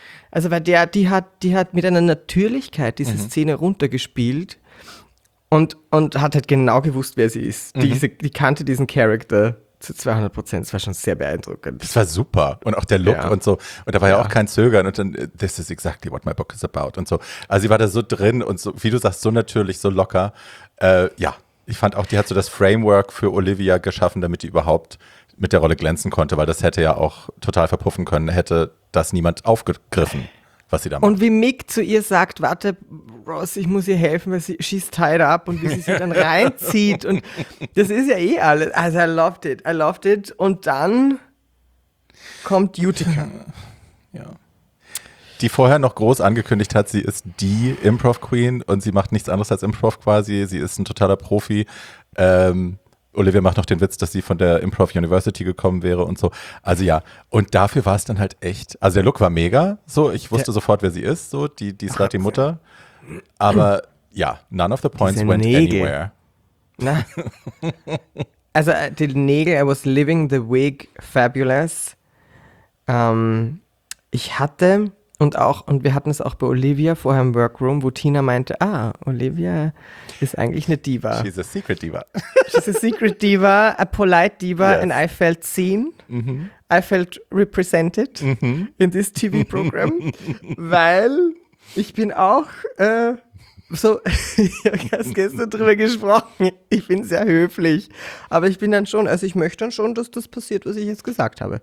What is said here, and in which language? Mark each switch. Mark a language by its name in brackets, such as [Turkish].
[German] Also weil die hat mit einer Natürlichkeit diese Szene runtergespielt und hat halt genau gewusst, wer sie ist. Die kannte diesen Charakter zu 200%. Das war schon sehr beeindruckend. Das war super. Und auch der Look und so. Und da war ja auch kein Zögern. Und dann, [English] this is exactly what my book is about. [German] Und so. Also sie war da so drin und so, wie du sagst, so natürlich, so locker. Ich fand auch, die hat so das Framework für Olivia geschaffen, damit die überhaupt mit der Rolle glänzen konnte, weil das hätte ja auch total verpuffen können, hätte das niemand aufgegriffen, was sie da macht. Und wie Mick zu ihr sagt, warte, Ross, ich muss ihr helfen, weil sie schießt tied up und wie sie sie dann reinzieht und das ist ja eh alles. Also [English] I loved it. [German] Und dann kommt Utica. Ja. Die vorher noch groß angekündigt hat, sie ist die Improv-Queen und sie macht nichts anderes als Improv quasi. Sie ist ein totaler Profi. Olivia macht noch den Witz, dass sie von der Improv University gekommen wäre und so. Also ja, und dafür war es dann halt echt, also der Look war mega, so, ich wusste sofort, wer sie ist, so, die ist gerade die Mutter. Aber ja, [English] none of the points went anywhere. [German] Na. Also die Nägel, [English] I was living the wig fabulous. [German] Ich hatte, und wir hatten es auch bei Olivia vorher im Workroom, wo Tina meinte, Olivia ist eigentlich eine Diva. [English] She's a secret Diva. She's a secret Diva, a polite Diva, yes. And I felt seen. [German] Mm-hmm. [English] I felt represented in this TV program, [German] weil ich bin auch so, ich habe gestern drüber gesprochen, ich bin sehr höflich, aber ich bin dann schon, also ich möchte dann schon, dass das passiert, was ich jetzt gesagt habe.